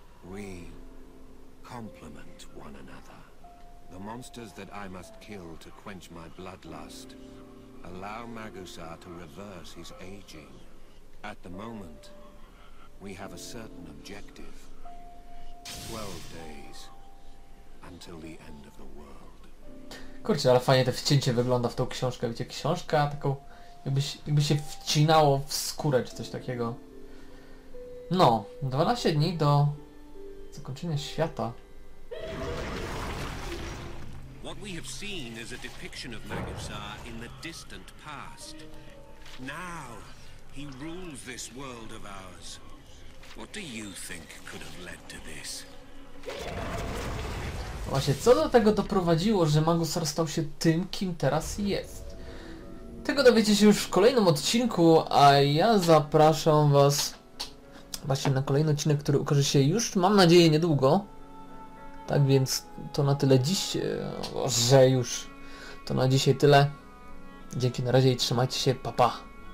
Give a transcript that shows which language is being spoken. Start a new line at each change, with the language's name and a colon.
English: We complement one another. The monsters that I must kill to quench my bloodlust allow Magusa to reverse his aging. At the moment, we have a certain objective. 12 days until the end of the world.
Polish: Kurczę, ale fajnie to wcięcie wygląda w tą książkę. Widzicie, książka taką jakby się wcinało w skórę czy coś takiego. No, 12 dni do zakończenia świata.
English: What we have seen is a depiction of Magusa in the distant past. Now he rules this world of ours. What do you think could have led to this?
Polish: Właśnie, co do tego doprowadziło, że Magusar stał się tym, kim teraz jest? Tego dowiecie się już w kolejnym odcinku, a ja zapraszam was właśnie na kolejny odcinek, który ukaże się już, mam nadzieję, niedługo. Tak więc to na tyle dziś, że już to na dzisiaj tyle. Dzięki, na razie i trzymajcie się, pa pa.